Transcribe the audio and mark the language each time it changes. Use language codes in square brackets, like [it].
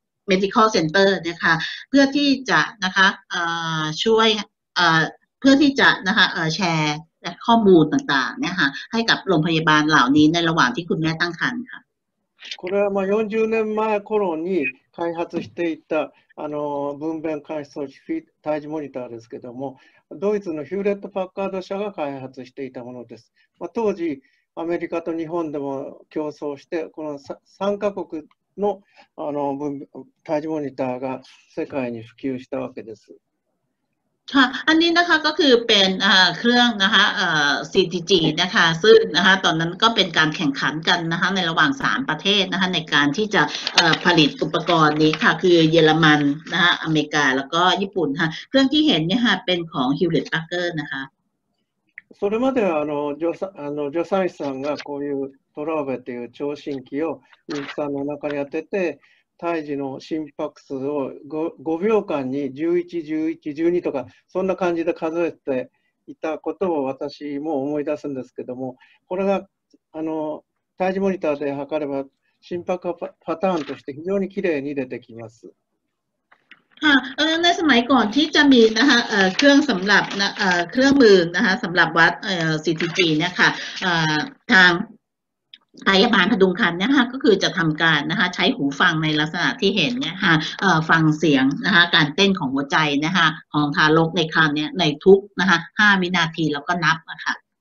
[th] medical center นะคะเพื่อที่จะนะคะช่วยเพื่อที่จะนะคะแชร์ข้อมูลต่างๆเนี่ยค่ะให้กับโรงพยาบาลเหล่านี้ในระหว่างที่คุณแม่ตั้งครรภ์ค่ะ [ja] これはまあ40年前頃に開発していた分娩監視装置フィート胎児モニターですけども、ドイツのヒューレット・パッカード社が開発していたものです。まあ、当時アメリカと日本でも競争して、この3カ国の胎児モニターが世界に普及したわけです。 [th] ค่ะอันนี้นะคะก็คือเป็นเครื่องนะคะCTG นะคะซึ่งนะคะตอนนั้นก็เป็นการแข่งขันกันนะคะในระหว่าง3ประเทศนะคะในการที่จะผลิตอุปกรณ์นี้ค่ะคือเยอรมันนะคะอเมริกาแล้วก็ญี่ปุ่นค่ะเครื่องที่เห็นเนี่ยค่ะเป็นของ Hewlett Packard นะคะ [ja] それまでは助産師さんがこういうトラーベっていう聴診器を妊婦さんの中に当てて胎児の心拍数を 5秒間に11、11、12とかそんな感じで数えていたことを私も思い出すんですけども、これが胎児モニターで測れば心拍パターンとして非常に綺麗に出てきます。 [th] ในสมัยก่อนที่จะมีนะคะเครื่องสำหรับเครื่องมือนะคะสำหรับวัด CTG เนี่ยค่ะทางพยาบาลพดุงครรภ์เนี่ยค่ะก็คือจะทำการนะคะใช้หูฟังในลักษณะที่เห็นเนี่ยค่ะฟังเสียงนะคะการเต้นของหัวใจนะคะของทารกในครรภ์เนี่ยในทุกนะคะ5วินาทีแล้วก็นับนะคะ